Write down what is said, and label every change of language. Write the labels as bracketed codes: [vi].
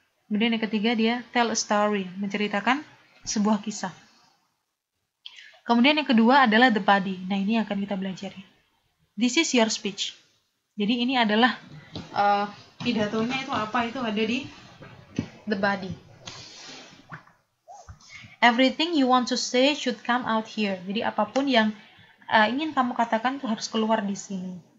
[id] Kemudian yang ketiga, dia [en] tell a story, [id] menceritakan sebuah kisah. Kemudian yang kedua adalah the body. Nah, ini akan kita belajar. [en] This is your speech. [id] Jadi, ini adalah pidatonya itu apa? Itu ada di the body. [en] Everything you want to say should come out here. [id] Jadi, apapun yang ingin kamu katakan itu harus keluar di sini.